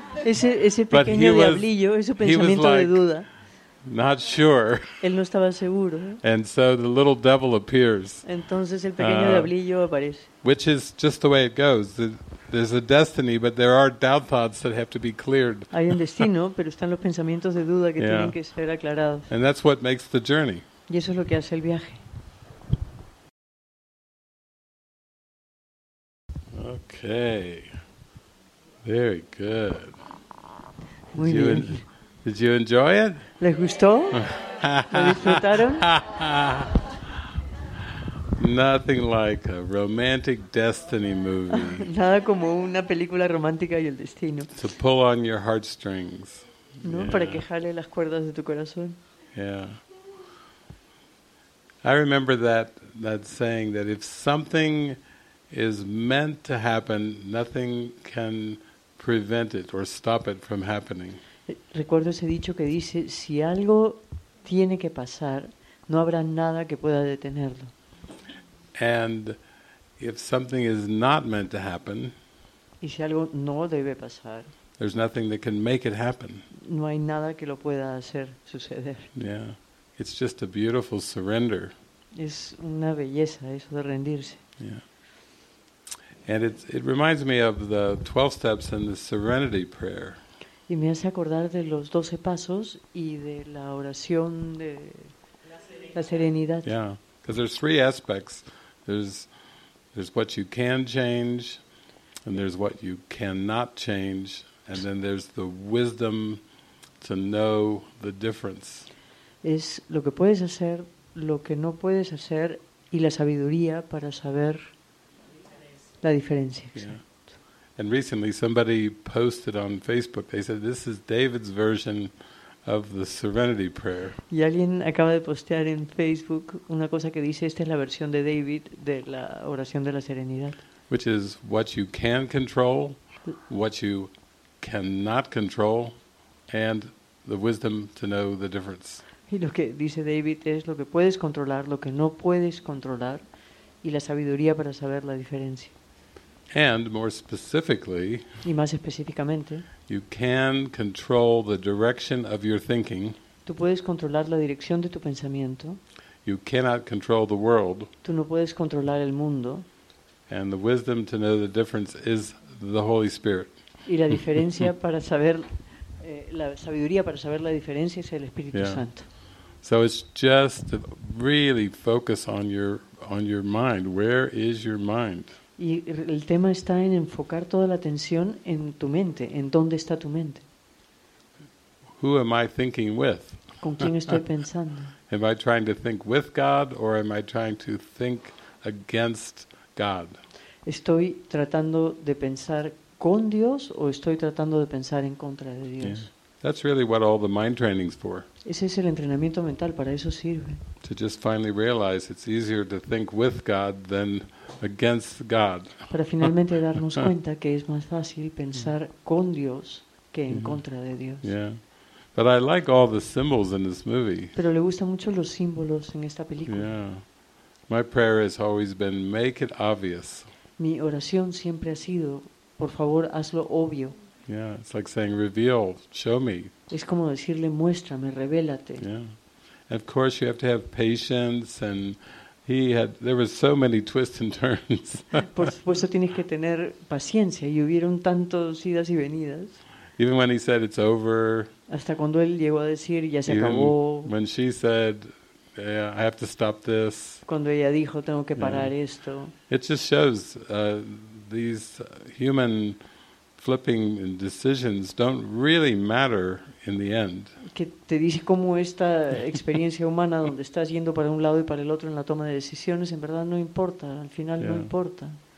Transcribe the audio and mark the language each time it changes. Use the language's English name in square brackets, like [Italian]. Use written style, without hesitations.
[Spanish] Ese pequeño diablillo, ese pensamiento de duda. [English] Not sure. [Spanish] Él no estaba seguro. [English] And so the little devil appears. [Spanish] Entonces el pequeño diablillo aparece. [English] Which is just the way it goes. There's a destiny, but there are doubt thoughts that have to be cleared. [Spanish] Hay un destino, pero están los pensamientos de duda que tienen que ser aclarados. [English] And that's what makes the journey. [Spanish] Y eso es lo que hace el viaje. [English] Okay, very good. [Spanish] Muy [English] did, you [Spanish] bien. [English] Did you enjoy it? [Spanish] ¿Les gustó? ¿Lo disfrutaron? [English] Nothing like a romantic destiny movie. [Spanish] Nada como una película romántica y el destino. [English] To pull on your heartstrings. No, yeah. [Spanish] Para que jale las cuerdas de tu corazón. [English] Yeah. I remember that saying that if something is meant to happen, nothing can prevent it or stop it from happening. [Spanish] Recuerdo ese dicho que dice, si algo tiene que pasar, no habrá nada que pueda detenerlo. [English] And if something is not meant to happen, [Spanish] y si algo no debe pasar, [English] there's nothing that can make it happen. [Spanish] No hay nada que lo pueda hacer suceder. [English] Yeah, it's just a beautiful surrender. [Spanish] Es una belleza eso de rendirse. [English] Yeah. And it reminds me of the 12 steps and the Serenity prayer. [Spanish] Y me hace acordar de los 12 pasos y de la oración de la serenidad. [English] Yeah, because there's three aspects. There's what you can change, and there's what you cannot change, and then there's the wisdom to know the difference. [Spanish] Es lo que puedes hacer, lo que no puedes hacer, y la sabiduría para saber la diferencia. [English] Yeah. And recently somebody posted on Facebook, they said this is David's version of the Serenity Prayer. [Spanish] Y alguien acaba de postear en Facebook una cosa que dice esta es la versión de David de la oración de la serenidad. [English] Which is what you can control, what you cannot control, and the wisdom to know the difference. [Spanish] Y lo que dice David es lo que puedes controlar, lo que no puedes controlar, y la sabiduría para saber la diferencia. [English] And more specifically, [Spanish] y más específicamente, [English] you can control the direction of your thinking. [Spanish] Tú puedes controlar la dirección de tu pensamiento. [English] You cannot control the world. [Spanish] Tú no puedes controlar el mundo. [English] And the wisdom to know the difference is the Holy Spirit. [Spanish] Y la diferencia para saber la sabiduría para saber la diferencia es el Espíritu Santo. [English] So it's just really focus on your mind. Where is your mind? [Spanish] Y el tema está en enfocar toda la atención en tu mente, en dónde está tu mente. [English] Who am I thinking with? [Spanish] ¿Con quién estoy pensando? [English] Am I trying to think with God or am I trying to think against God? [Spanish] ¿Estoy tratando de pensar con Dios o estoy tratando de pensar en contra de Dios? [English] Yeah. That's really what all the mind training's for. [Spanish] Ese es el entrenamiento mental, para eso sirve. [English] To just finally realize it's easier to think with God than against God. [Spanish] Para finalmente darnos cuenta que es más fácil pensar con Dios que en contra de Dios. [English] Yeah. But I like all the symbols in this movie. [Spanish] Pero le gustan mucho los símbolos en esta película. [English] Yeah. My prayer has always been make it obvious. [Spanish] Mi oración siempre ha sido, por favor, hazlo obvio. [English] Yeah, it's like saying reveal, show me. [Spanish] Es como decirle muéstrame, revélate. [English] Yeah. And of course you have to have patience and there were so many twists and turns. [Spanish] Por supuesto tienes que tener paciencia y hubieron tantos idas y venidas. [English] Even when he said it's over. [Spanish] Hasta cuando él llegó a decir ya se acabó. [English] When she said I have to stop this. [Spanish] Cuando ella dijo tengo que parar esto. [English] It just shows these human flipping decisions don't really matter in the end. [Spanish] Que te dice cómo esta experiencia humana donde estás yendo para un lado y para el otro en la toma de decisiones en verdad no importa, al final no importa.